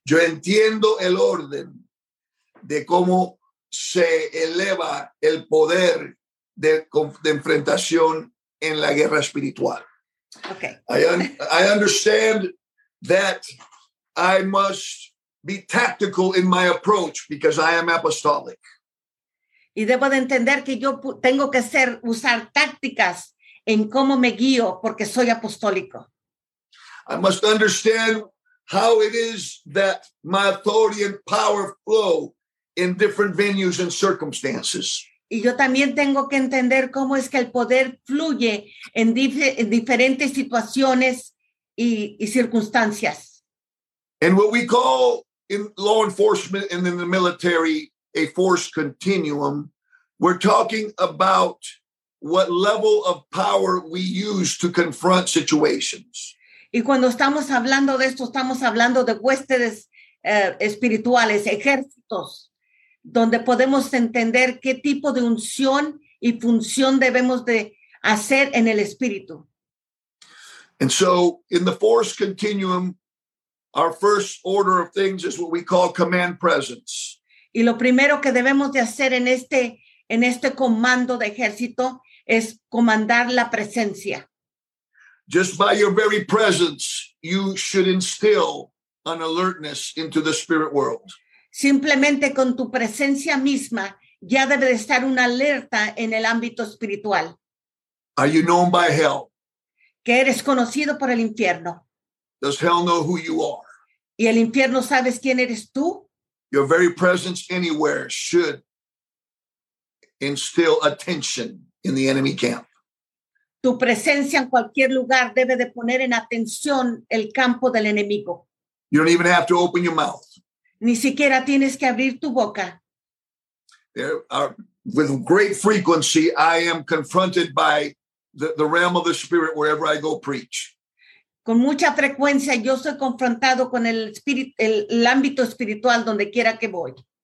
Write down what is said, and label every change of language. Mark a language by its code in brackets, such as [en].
[es] Yo entiendo el orden de cómo se eleva el poder de enfrentación en la guerra espiritual. [en] Okay. I understand that I must be tactical in my approach because I am apostolic. [es] Y debo de entender que yo tengo que ser usar tácticas en cómo me guío porque soy apostólico. [en] I must understand how it is that my authority and power flow in different venues and circumstances. [es] Y yo también tengo que entender cómo es que el poder fluye en diferentes situaciones y circunstancias. [en] And what we call in law enforcement and in the military a force continuum, we're talking about what level of power we use to confront situations. [es] Y cuando estamos hablando de esto, estamos hablando de huestes espirituales, ejércitos, donde podemos entender qué tipo de unción y función debemos de hacer en el espíritu. [en] And so, in the force continuum, our first order of things is what we call command presence. [es] Y lo primero que debemos de hacer en este comando de ejército es comandar la presencia. [en] Just by your very presence, you should instill an alertness into the spirit world. [es] Simplemente con tu presencia misma, ya debe de estar una alerta en el ámbito espiritual. [en] Are you known by hell? [es] Que eres conocido por el infierno. [en] Does hell know who you are? [es] ¿Y el infierno sabes quién eres tú? [en] Your very presence anywhere should instill attention in the enemy camp. [es] Tu presencia en cualquier lugar debe de poner en atención el campo del enemigo. [en] You don't even have to open your mouth. [es] Ni siquiera tienes que abrir tu boca. [en] There are, with great frequency, I am confronted by the realm of the spirit wherever I go preach. [es] Con mucha frecuencia yo soy confrontado con el ámbito espiritual donde quiera que voy.